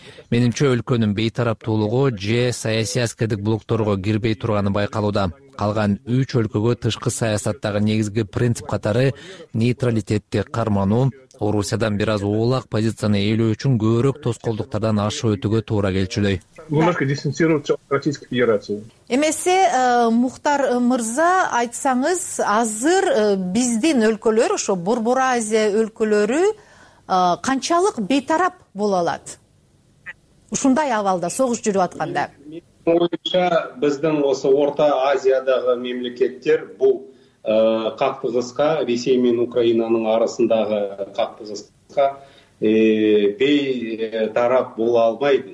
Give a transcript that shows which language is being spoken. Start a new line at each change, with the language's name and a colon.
Kyrgyz: Менимче өлкөнүн бейтараптуулугу же саясий аскердик блокторго кирбей турганы байкалууда. Калган 3 өлкөгө тышкы саясаттагы негизги принцип катары нейтралитетти карманы, Орусиядан бир аз оолак позицияны ээлөө үчүн көбүрөөк тоскоолдуктардан ашып өтүүгө туура келчүлөй.
Russian: Немножко дистанцироваться от Российской Федерации.
Kyrgyz: Эмесе, Мухтар Мырза, айтсаңыз, азыр биздин өлкөлөр, ошо Борбор Азия өлкөлөрү канчалык бейтарап боло алат? Ушундай абалда согуш жүрүп атканда.
Kazakh: Оюмча биздин осы Орта Азиядагы мамлекеттер бул кактыгыска, Ресей менен Украинанын арасындагы кактыгыска бейтарап боло албайды.